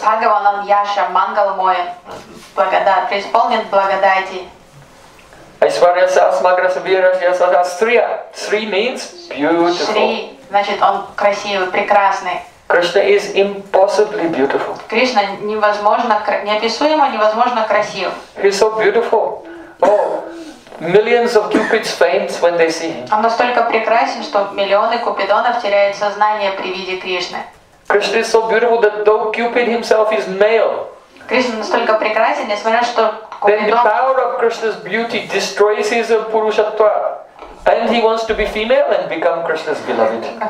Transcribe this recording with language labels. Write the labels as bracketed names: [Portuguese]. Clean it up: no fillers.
[Russian] Bhagavan он Yasha, Mangalmoy, преисполнен благодати. [Sanskrit] Айсварья Сасмагра Сабира Сасмагра Срия. Сри [English] means beautiful. [Russian] Сри, значит, он красивый, прекрасный. [English] Кришна is impossibly beautiful. [Russian] Кришна невозможно, неописуемо, невозможно красив. [English] He's so beautiful. Oh, millions of cupids faint when they see him. [Russian] Он настолько прекрасен, что миллионы купидонов теряют сознание при виде Кришны. [English] Кришна is so beautiful that though Cupid himself is male. [Russian] Кришна настолько прекрасен, несмотря что [English] Then the power of Krishna's beauty destroys his purushattva, and he wants to be female and become Krishna's beloved.